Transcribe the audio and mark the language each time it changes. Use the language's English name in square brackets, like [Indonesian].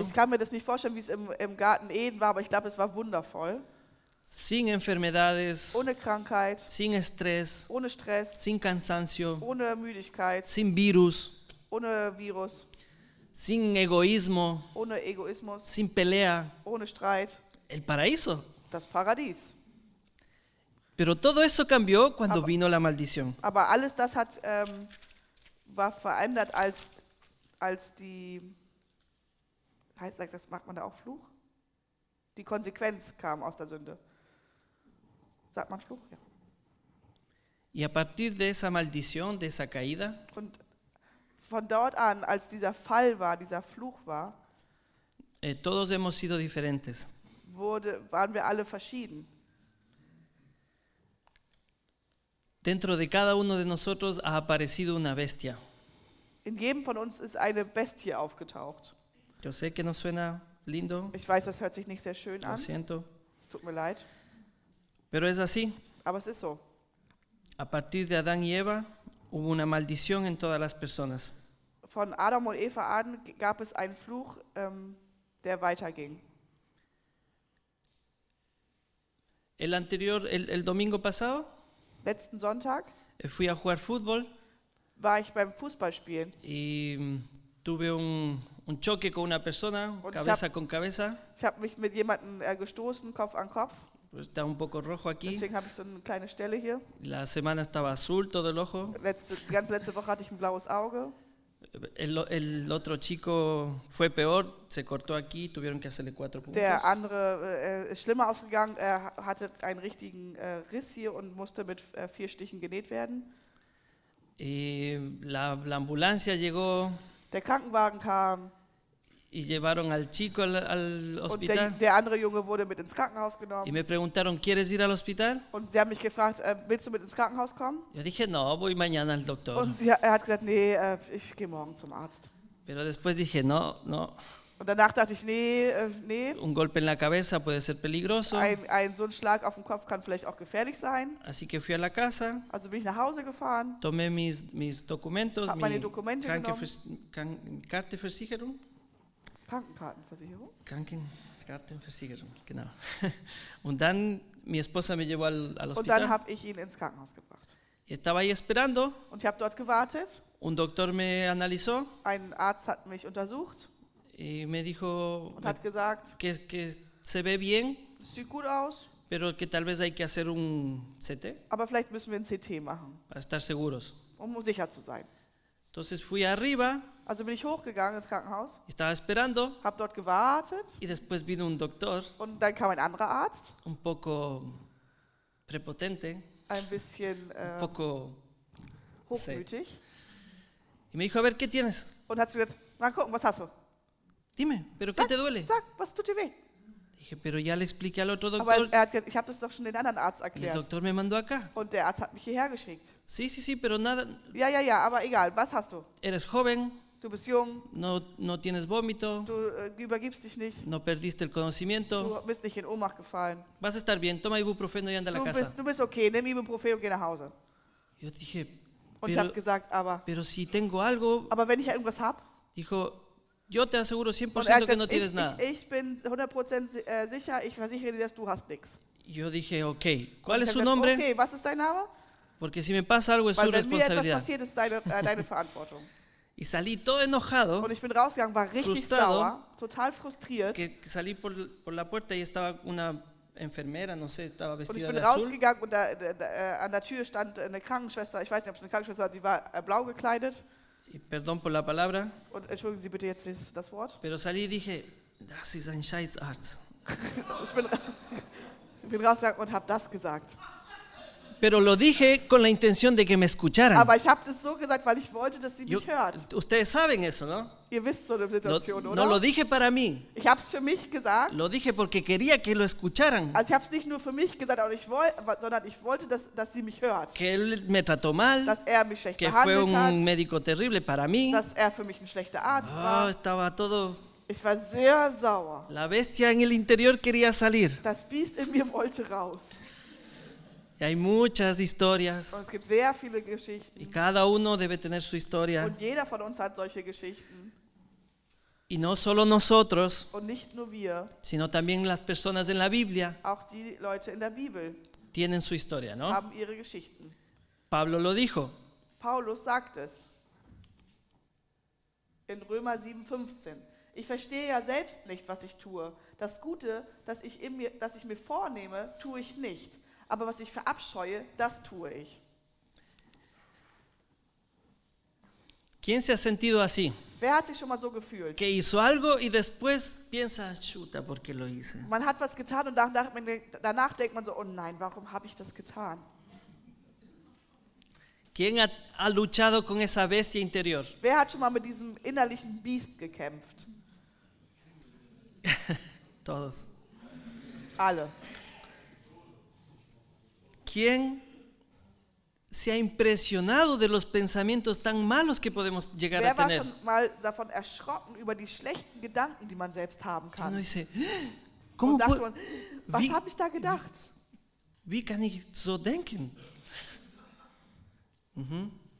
[German] Ich kann mir das nicht vorstellen, wie es im Garten Eden war, aber ich glaube, es war wundervoll. [Spanish] Sin enfermedades. [German] Ohne Krankheit. [Spanish] Sin Estrés. [German] Ohne Stress. [Spanish] Sin cansancio. [German] Ohne Müdigkeit. [Spanish] Sin Virus. [German] Ohne Virus. [Spanish] Sin egoísmo. [German] Ohne Egoismus. [Spanish] Sin pelea. [German] Ohne Streit. [Spanish] El paraíso. [German] Das Paradies. [Spanish] Pero todo eso cambió cuando vino la maldición. [German] Aber alles das hat war verändert als die heißt das macht man da auch Fluch? Die Konsequenz kam aus der Sünde. Sagt man Fluch? Ja. [Spanish] Y a partir de esa maldición, de esa caída, [German] und von dort an, als dieser Fall war, dieser Fluch war, [Spanish] todos hemos sido diferentes. [German] Waren wir alle verschieden. [Spanish] Dentro de cada uno de nosotros ha aparecido una bestia. [German] In jedem von uns ist eine Bestie aufgetaucht. [Spanish] Yo sé que no suena lindo. [German] Ich weiß, das hört sich nicht sehr schön [Spanish] Lo [German] an. [Spanish] Siento. [German] Es tut mir leid. [Spanish] Pero es así. [German] Aber es ist so. [Spanish] A partir de Adán y Eva hubo una maldición en todas las personas. [German] Von Adam und Eva an gab es einen Fluch, der weiterging. [Spanish] El anterior, el domingo pasado. [German] Letzten Sonntag. [Spanish] Fui a jugar fútbol. [German] War ich beim Fußballspielen. [Spanish] Y tuve un choque con una persona, [German] und [Spanish] cabeza con cabeza. [German] Ich habe mich mit jemandem gestoßen, Kopf an Kopf. [Spanish] Está un poco rojo aquí. [German] Deswegen habe ich so eine kleine Stelle hier. [Spanish] La semana estaba azul todo el ojo. [German] Die ganze letzte Woche hatte ich ein blaues Auge. [Spanish] El otro chico fue peor, se cortó aquí, tuvieron que hacerle cuatro puntos. [German] Der andere ist schlimmer ausgegangen, er hatte einen richtigen Riss hier und musste mit vier Stichen genäht werden. [Spanish] Y la ambulancia llegó. [German] Der Krankenwagen kam. [Spanish] Y llevaron al chico al hospital. [German] Und der andere Junge wurde mit ins Krankenhaus genommen. [Spanish] Y me preguntaron, ¿quieres ir al hospital? [German] Und sie haben mich gefragt, willst du mit ins Krankenhaus kommen? [Spanish] Yo dije, no, voy mañana al doctor. [German] Und er hat gesagt, nee, ich gehe morgen zum Arzt. [Spanish] Pero después dije, no, no. [German] Und danach dachte ich, nee. [Spanish] Un golpe en la cabeza puede ser peligroso. [German] Ein so ein Schlag auf den Kopf kann vielleicht auch gefährlich sein. [Spanish] Así que fui a la casa. [German] Also bin ich nach Hause gefahren. [Spanish] Tomé mis documentos, [German] hab meine Dokumente genommen. Krankenversicherung. Krankenkartenversicherung. Krankenkartenversicherung, genau. Und dann [Spanish] mi esposa me llevó al hospital. [German] Und dann habe ich ihn ins Krankenhaus gebracht. [Spanish] Y estaba ahí esperando. [German] Und ich habe dort gewartet. [Spanish] Un doctor me analizó. [German] Ein Arzt hat mich untersucht. [Spanish] Y me dijo [German] und hat gesagt, [Spanish] que se ve bien, [German] sieht gut aus, [Spanish] pero que tal vez hay que hacer un CT, [German] aber vielleicht müssen wir ein CT machen, [Spanish] para estar seguros, [German] um sicher zu sein. [Spanish] Entonces fui arriba, [German] also bin ich hochgegangen ins Krankenhaus, [Spanish] estaba esperando, [German] hab dort gewartet, [Spanish] y después vino un doctor, [German] und dann kam ein anderer Arzt, [Spanish] un poco prepotente, [German] ein bisschen [Spanish] un poco [German] hochmütig, [Spanish] y me dijo, a ver, ¿qué tienes? [German] Und hat gesagt, mal gucken, was hast du? [Spanish] Dime, pero ¿qué te duele? [German] Sag, was tut dir weh? [Spanish] Dije, pero ya le expliqué al otro doctor. [German] Aber er hat gesagt, ich habe das doch schon den anderen Arzt erklärt. [Spanish] El doctor me mandó acá. [German] Und der Arzt hat mich hierher geschickt. [Spanish] Sí, pero nada. [German] Ja, aber egal, was hast du? [Spanish] Eres joven. [German] Du bist jung. [Spanish] No tienes vómito. [German] Du übergibst dich nicht. [Spanish] No perdiste el conocimiento. [German] Du bist nicht in Ohnmacht gefallen. [Spanish] Vas a estar bien, toma ibuprofeno y anda a la casa. [German] Du bist okay, nimm Ibuprofen und geh nach Hause. [Spanish] Yo dije, [German] und ich habe gesagt, aber. [Spanish] Pero si tengo algo. [German] Aber wenn ich irgendwas hab. [Spanish] Dijo, yo te aseguro 100% que no tienes nada. [German] Ich bin 100% sicher, ich versichere dir, dass du hast nichts. [Spanish] Yo dije, okay, ¿cuál es su nombre? [German] Okay, was ist dein Name? [Spanish] Porque si me pasa algo es su responsabilidad. [German] Weil wenn mir etwas passiert, ist deine Verantwortung. [Spanish] Y salí todo enojado. [German] Und ich bin rausgegangen, war richtig sauer, total frustriert. [Spanish] Que salí por la puerta y estaba una enfermera, no sé, estaba vestida de azul. [German] Und ich bin rausgegangen und da an der Tür stand eine Krankenschwester. Ich weiß nicht, ob es eine Krankenschwester war, die war blau gekleidet. [Spanish] Y perdón por la palabra. [German] Und entschuldigen Sie bitte jetzt das Wort. [Spanish] Pero salí y dije, [German] das ist ein Scheißarzt. ich bin rausgegangen und habe das gesagt. [Spanish] Pero lo dije con la intención de que me escucharan. [German] Aber ich habe das so gesagt, weil ich wollte, dass sie mich hört. [Spanish] Ustedes saben eso, ¿no? [German] Ihr wisst so eine Situation, [Spanish] no, [German] oder? [Spanish] No lo dije para mí. [German] Ich habe es für mich gesagt. [Spanish] Lo dije porque quería que lo escucharan. [German] Also ich habe es nicht nur für mich gesagt, sondern ich wollte, dass sie mich hört. [Spanish] Que él me trató mal. [German] Dass er mich schlecht [Spanish] que [German] behandelt [Spanish] fue un [German] hat. [Spanish] Médico terrible para mí. [German] Dass er für mich ein schlechter Arzt oh, war. [Spanish] Estaba todo. [German] Ich war sehr sauer. [Spanish] La bestia en el interior quería salir. [German] Das Biest in mir wollte raus. [Spanish] Y hay muchas historias. [German] Und es gibt sehr viele Geschichten. [Spanish] Y cada uno debe tener su historia. [German] Und jeder von uns hat solche Geschichten. [Spanish] Y no solo nosotros, [German] und nicht nur wir, [Spanish] sino también las personas en la Biblia, auch die Leute in der Bibel, tienen su historia, ¿no? [German] Haben ihre Geschichten. [Spanish] Pablo lo dijo. [German] Paulus sagt es. In Römer 7,15. Ich verstehe ja selbst nicht, was ich tue. Das Gute, das ich mir vornehme, tue ich nicht. Aber was ich verabscheue, das tue ich. [Spanish] ¿Quién se ha sentido así? [German] Wer hat sich schon mal so gefühlt? [Spanish] Que hizo algo y después piensa, chuta, ¿por qué lo hice? [German] Man hat was getan und danach denkt man so, oh nein, warum habe ich das getan? [Spanish] ¿Quién ha luchado con esa bestia interior? [German] Wer hat schon mal mit diesem innerlichen Biest gekämpft? [Spanish] Todos. [German] Alle. [Spanish] ¿Quién se ha impresionado de los pensamientos tan malos que podemos llegar [German] Wer [Spanish] a tener? [German] Wer war schon mal davon erschrocken über die schlechten Gedanken, die man selbst haben kann? [Spanish] Uno dice, ¿cómo [German] und dachte man, was habe ich da gedacht? Wie kann ich so denken? Mhm.